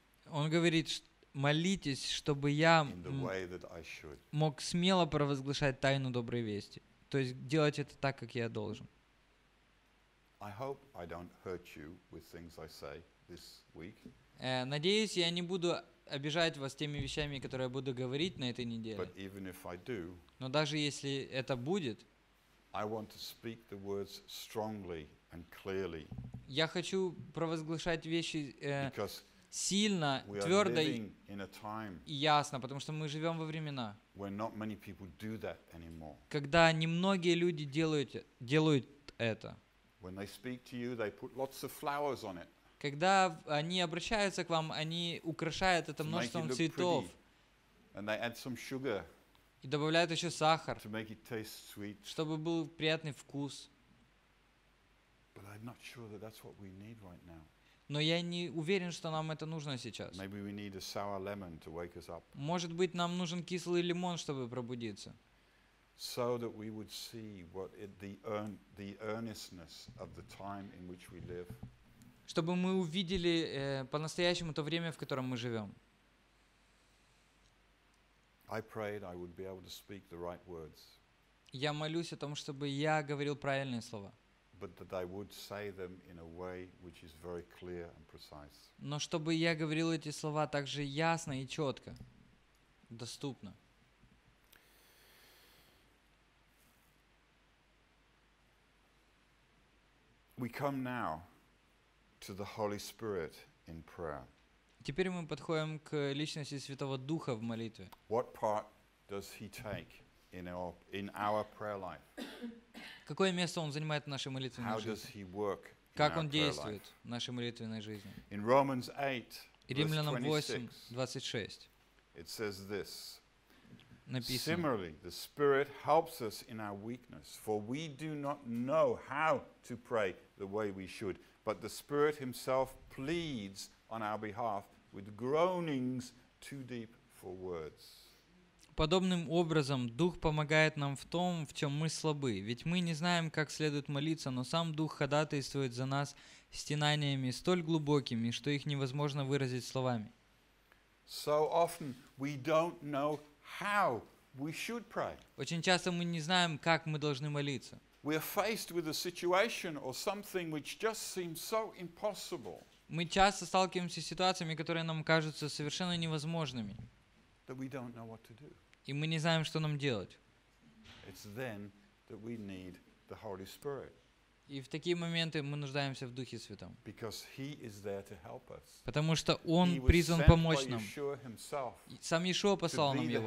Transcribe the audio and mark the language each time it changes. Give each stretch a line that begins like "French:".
Russian: Он говорит, молитесь, чтобы я мог смело провозглашать тайну доброй вести. То есть делать это так, как я должен.
English: I hope I don't hurt you with things I say this week.
Russian: Надеюсь, я не буду обижать вас теми вещами, которые я буду говорить на этой неделе.
English: But even if I do,
Russian: но даже если это будет,
English: I want to speak the words strongly and clearly.
Russian: Я хочу провозглашать вещи сильно, твердо и ясно, потому что мы живем во времена,
English: when not many people do that anymore.
Russian: Когда немногие люди делают это.
English: When they speak to you, they put lots of flowers on it.
Russian: Когда они обращаются к вам, они украшают это множеством цветов.
English: And they add some sugar.
Russian: И добавляют еще сахар.
English: To make it taste sweet.
Russian: Чтобы был приятный вкус.
English: But I'm not sure that that's what we need right now.
Russian: Но я не уверен, что нам это нужно сейчас.
English: Maybe we need a sour lemon to wake us up.
Russian: Может быть, нам нужен кислый лимон, чтобы пробудиться.
English: So that we would see what the earnestness of the time in which we live.
Russian: Чтобы мы увидели по-настоящему то время, в котором мы живем.
English: I prayed I would be able to speak the right words.
Russian: Я молюсь о том, чтобы я говорил правильные слова.
English: But that I would say them in a way which is very clear and precise.
Russian: Но чтобы я говорил эти слова также ясно и четко, доступно.
English: We come now to the Holy Spirit in prayer.
Russian: Теперь мы подходим к личности Святого Духа в молитве.
English: What part does he take in our prayer life?
Russian: Какое место он занимает в нашей молитвенной жизни?
English: How does he work?
Russian: Как он действует в нашей молитвенной жизни?
English: In Romans 8,
Russian: Римлянам 8:26.
English: It says this.
Russian: Написано.
English: Similarly, the Spirit helps us in our weakness, for we do not know how to pray the way we should, but the Spirit Himself pleads on our behalf with groanings too deep for words.
Russian: Подобным образом Дух помогает нам в том, в чем мы слабы, ведь мы не знаем, как следует молиться, но сам Дух ходатайствует за нас стенаниями столь глубокими, что их невозможно выразить словами.
English: So often we don't know how we should pray.
Russian: Очень часто мы не знаем, как мы должны молиться.
English: We are faced with a situation or something which just seems so impossible.
Russian: Мы часто сталкиваемся с ситуациями, которые нам кажутся совершенно невозможными.
English: That we don't know what to do.
Russian: И мы не знаем, что нам делать.
English: It's then that we need the Holy Spirit.
Russian: И в такие моменты мы нуждаемся в Духе Святом.
English: Because he is there to help us.
Russian: Потому что Он призван помочь нам.
English: Himself,
Russian: сам Иешуа послал нам Его,